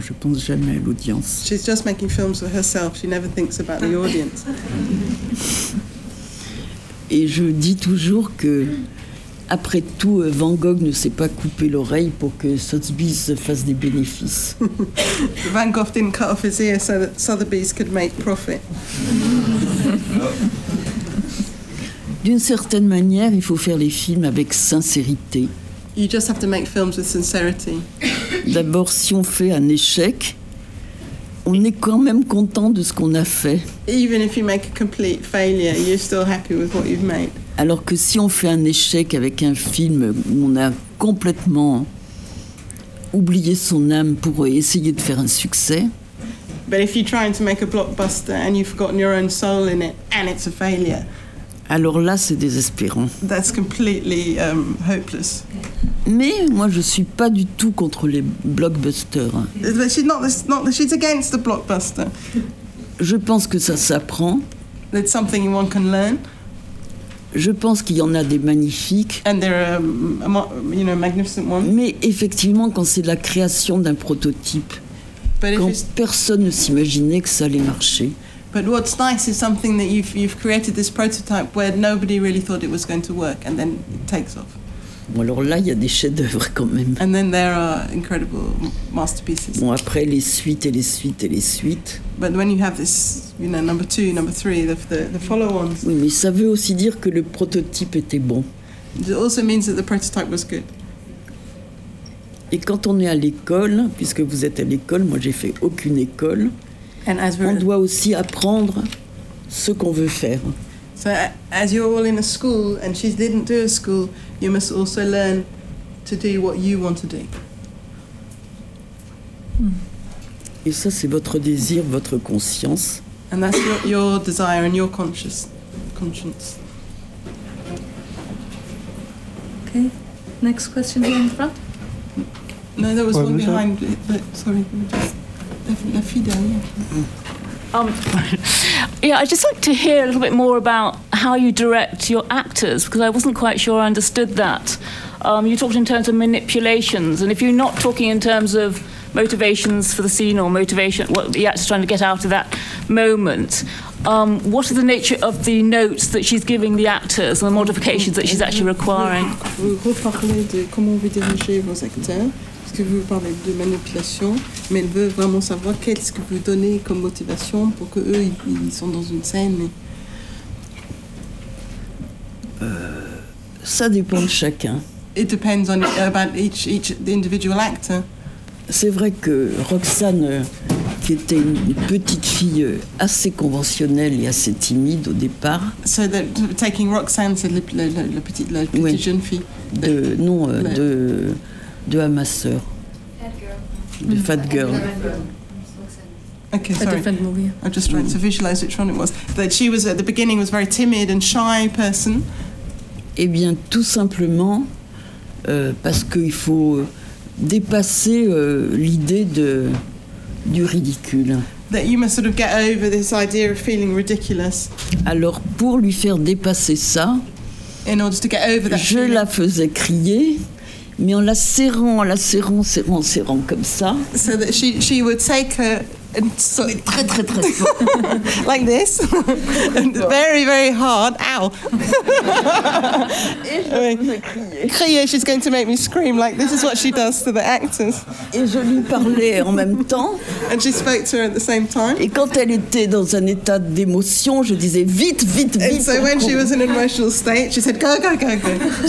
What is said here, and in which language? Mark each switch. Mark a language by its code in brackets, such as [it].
[fr] Je pense jamais à l'audience. [en] She's just making films for herself. She never thinks about the audience. [fr] Et je dis toujours que, après tout, Van Gogh ne s'est pas coupé l'oreille pour que Sotheby's fasse des bénéfices. [en] Van Gogh didn't cut off his ear so that Sotheby's could make profit. [fr] D'une certaine manière, il faut faire les films avec sincérité. [en] You just have to make films with sincerity. [fr] D'abord, si on fait un échec, on est quand même content de ce qu'on a fait. [en] Even if you make a complete failure, you're still happy with what you've made. [fr] Alors que si on fait un échec avec un film où on a complètement oublié son âme pour essayer de faire un succès. [en] But if you're trying to make a blockbuster and you've forgotten your own soul in it and it's a failure. [fr] Alors là, c'est désespérant. [en] That's completely hopeless. [fr] Mais moi, je suis pas du tout contre les blockbusters. [en] But she's against the blockbuster. [fr] Je pense que ça s'apprend. [en] That's something one can learn. [fr] Je pense qu'il y en a des magnifiques. [en] And there are magnificent ones. [fr] Mais effectivement, quand c'est la création d'un prototype, quand personne ne s'imaginait que ça allait marcher. [en] But what's nice is something that you've created this prototype where nobody really thought it was going to work, and then it takes off. [fr] Bon, alors là, il y a des chefs-d'œuvre quand même. [en] And then there are incredible masterpieces. [fr] Bon, après les suites et les suites et les suites. [en] But when you have this, number two, number three, the follow-ons. [fr] Oui, mais ça veut aussi dire que le prototype était bon. [en] It also means that the prototype was good. [fr] Et quand on est à l'école, puisque vous êtes à l'école, moi j'ai fait aucune école. [en] And as we're [fr] on doit aussi apprendre ce qu'on veut faire. [en] So as you're all in a school and she didn't do a school, you must also learn to do what you want to do. [fr] Et ça, c'est votre désir, votre conscience. [en] And that's your desire and your conscience. Okay. Next question here in front. No, there was one behind. [fr] La fidèle. [en] I'd just like to hear a little bit more about how you direct your actors, because I wasn't quite sure I understood that. You talked in terms of manipulations, and if you're not talking in terms of motivations for the scene or motivation, what the actor's trying to get out of that moment, what is the nature of the notes that she's giving the actors and the modifications that she's actually requiring? [fr] Vous reparlez de comment vous dirigez vos acteurs. Parce que vous parlez de manipulation, mais elle veut vraiment savoir qu'est-ce que vous donnez comme motivation pour que eux ils sont dans une scène. Ça dépend de chacun. [en] It depends on about each individual actor. [fr] C'est vrai que Roxane, qui était une petite fille assez conventionnelle et assez timide au départ. [en] So the, taking [fr] Roxane, c'est la petite, la petite, oui, jeune fille. De, non, le... de Amasseur. [en] Fat girl. The fat girl. Mm-hmm. Okay, sorry. A different movie. I'm just trying to visualize which one it was. That she was at the beginning was a very timid and shy person. [fr] Eh bien, tout simplement parce qu'il faut dépasser l'idée de du ridicule. [en] That you must sort of get over this idea of feeling ridiculous. [fr] Alors, pour lui faire dépasser ça, [en] in order to get over that, [fr] je [en] feeling. [fr] La faisais crier. Mais en la serrant, serrant comme ça. [en] So that she would take her and so [fr] très très très fort. [en] Like this. And very very hard. Ow. [fr] Crier. [en] She's going to make me scream. Like this is what she does to the actors. [fr] Et je lui parlais en même temps. [en] And she spoke to her at the same time. [fr] Et quand elle était dans un état d'émotion, je disais vite vite vite. [en] And so when she was in an emotional state, she said go go go go.